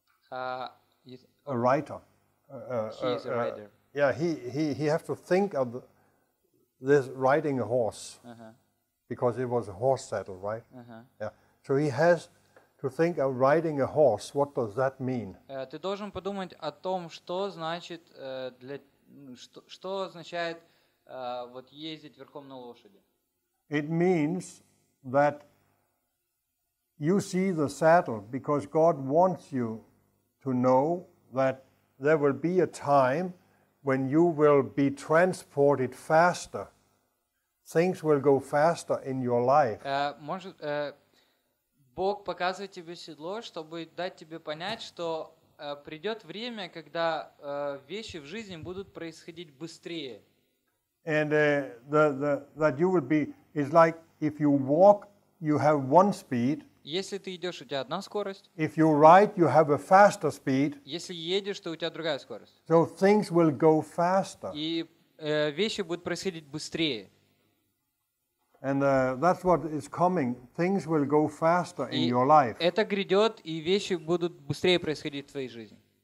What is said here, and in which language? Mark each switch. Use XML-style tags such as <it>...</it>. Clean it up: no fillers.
<en>A writer. He's a rider. He have to think of this riding a horse, because it was a horse saddle, right? Uh-huh. Yeah. So he has to think of riding a horse. What does that mean?</en> <ru>Ты должен подумать о том, что значит для что означает вот ездить верхом на лошади.</ru> <en>It means that you see the saddle because God wants you to know that. There will be a time when you will be transported faster Things will go faster in your life.</en> <ru>Бог показывает тебе седло, чтобы дать тебе понять, что придет время, когда вещи в жизни будут происходить быстрее.</ru> <en>And that you would be is like if you walk, you have one speed.</en> <ru>Если ты идешь, у тебя одна скорость.</ru> <en>If you ride, you have a faster speed.</en> <ru>Если едешь, то у тебя другая скорость.</ru> <en>So things will go faster.</en> <ru>И вещи будут происходить быстрее.</ru> <en>And that's what is coming. Things will go faster in your life.</en> <ru>Это грядет, и вещи будут быстрее происходить в твоей жизни.</ru>